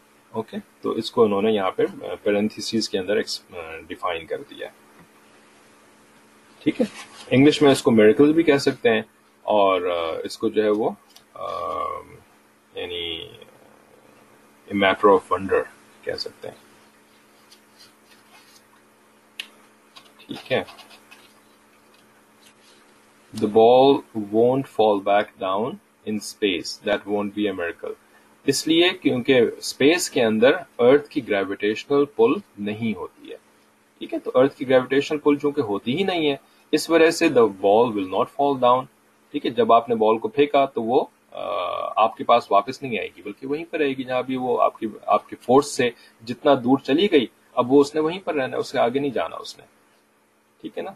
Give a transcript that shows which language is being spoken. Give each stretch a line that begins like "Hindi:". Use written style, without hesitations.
Urdu: Okay, تو اس کو انہوں نے یہاں پہ پیرنتھیسز کے اندر ڈیفائن کر دیا، ٹھیک ہے. انگلش میں اس کو میریکل بھی کہہ سکتے ہیں، اور اس کو جو ہے وہ یعنی
English: a matter of wonder
Urdu: کہہ سکتے ہیں، ٹھیک ہے.
English: The ball won't fall back down in space. That won't be a miracle.
Urdu: اس لیے کیونکہ اسپیس کے اندر ارتھ کی گریویٹیشنل پل نہیں ہوتی ہے، ٹھیک ہے. تو ارتھ کی گریویٹیشنل پل چونکہ ہوتی ہی نہیں ہے، اس وجہ سے
English: the ball will not fall down,
Urdu: ٹھیک ہے. جب آپ نے بال کو پھینکا تو وہ آپ کے پاس واپس نہیں آئے گی، بلکہ وہیں پر رہے گی جہاں بھی وہ آپ کی فورس سے جتنا دور چلی گئی، اب وہ اس نے وہیں پر رہنا ہے، اس سے آگے نہیں جانا اس نے، ٹھیک ہے نا.